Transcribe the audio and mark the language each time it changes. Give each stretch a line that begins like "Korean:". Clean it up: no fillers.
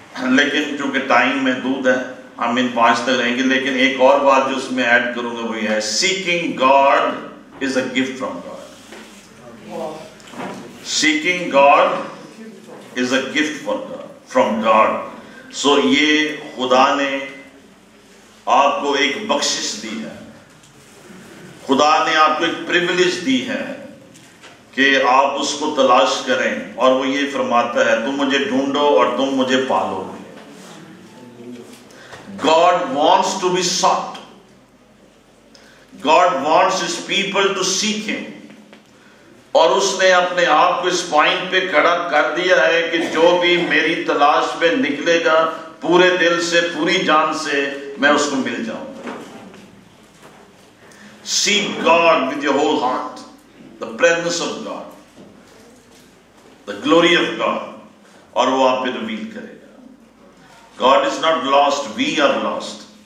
Urdu: لیکن چونکہ ٹائم محدود ہے ہم ان 5 تک رہیں گے۔ لیکن ایک اور بات جو اس میں ایڈ کروں گا وہ یہ ہے،
English: Seeking God is a gift from God.
Urdu: Seeking God is a gift from God so یہ خدا نے آپ کو ایک بخشش دی ہے، خدا نے آپ کو ایک پریولیج دی ہے کہ آپ اس کو تلاش کریں، اور وہ یہ فرماتا ہے تم مجھے ڈھونڈو اور تم مجھے پالو۔
English: God wants to be sought. God wants his people to seek him.
Urdu: اور اس نے اپنے آپ کو اس پوائنٹ پہ کھڑا کر دیا ہے کہ جو بھی میری تلاش پہ نکلے گا پورے دل سے پوری جان سے میں اس کو مل جاؤں۔
English: Seek God with your whole heart, the presence of God,
Urdu: the glory of God, اور وہ آپ پہ ریویل کرے۔
English: God is not lost, we are lost.